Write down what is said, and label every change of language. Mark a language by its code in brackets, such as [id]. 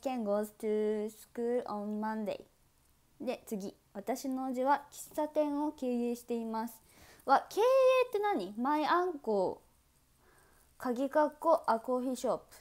[en] Ken goes to school on Monday。 [ja] で、次、私の叔父は喫茶店を経営しています。は、経営って何？ [en] My uncle、 [ja] 鍵括弧、 [en] a coffee shop。